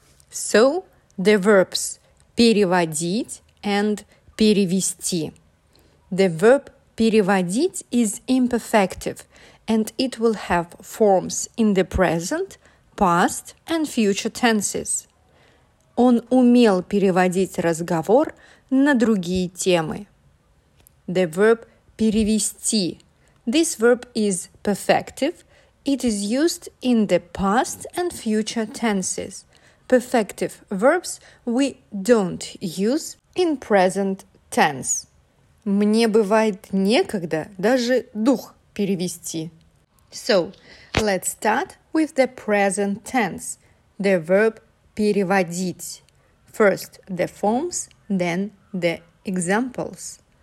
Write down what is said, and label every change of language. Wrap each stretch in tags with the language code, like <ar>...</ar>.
<en>So, the verbs переводить and перевести. The verb переводить is imperfective and it will have forms in the present, past and future tenses.</en> <ru>Он умел переводить разговор на другие темы.</ru> <en>The verb перевести. This verb is perfective. It is used in the past and future tenses. Perfective verbs we don't use in present tense.</en> <ru>Мне бывает некогда даже дух перевести.</ru> <en>So, let's start with the present tense, the verb переводить. First the forms, then the examples.</en>